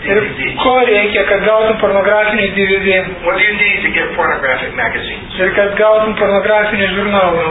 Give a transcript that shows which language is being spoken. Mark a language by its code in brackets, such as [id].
[lt] DVD? Ko reikia, kad gautum pornografinį DVD? [en] What do you need to get pornographic magazines? [lt] Ir kad gautum pornografinį žurnalą?